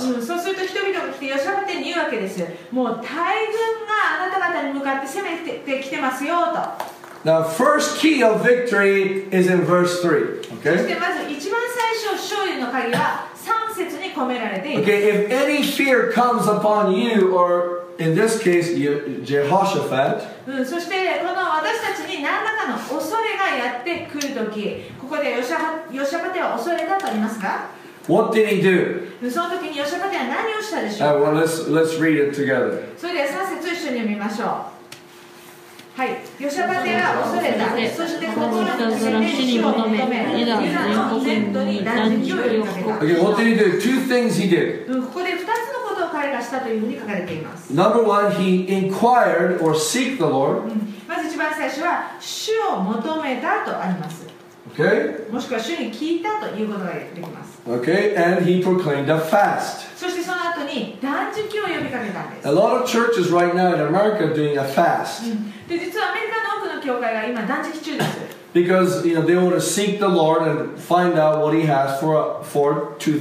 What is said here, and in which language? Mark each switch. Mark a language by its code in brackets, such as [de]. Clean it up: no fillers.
[ja] そうすると人々が来て、ヨシャフテに言うわけです。もう大軍があなた方に向かって攻めてきてますよと。 [en] Now, first key of victory is in verse 3, okay? [ja] そしてまず一番最初、勝利の鍵は、 [en] Okay, if any fear comes upon you, or in this case, you, Jehoshaphat. [ja] そしてこの私たちに何らかの恐れがやってくるとき、ここでヨシャパテは恐れだとありますか？ [en] What did he do? [ja] そのときにヨシャパテは何をしたでしょう？ [en] Well, let's read it together. [ja] それでは3節一緒に読みましょう。はい、ヨシャパテは恐れた。そして心の聖天使を求め、ユダの全土に断食を呼びかけた。 [en] What did he do? Two things he did. [ja] ここで2つのことを彼がしたというふうに書かれています。 [en] Number one, he inquired or seek the Lord. [ja] まず一番最初は主を求めたとあります。 [en] Okay. [ja] もしくは主に聞いたということができます。 [en] Okay. And he proclaimed a fast. [ja] そしてその後に断食を呼びかけたんです。 [en] A lot of churches right now in America are doing a fast. [ja] で、実はアメリカの多くの教会が今断食中です。 [en] Because, you know, they want to seek the Lord and find out what he has for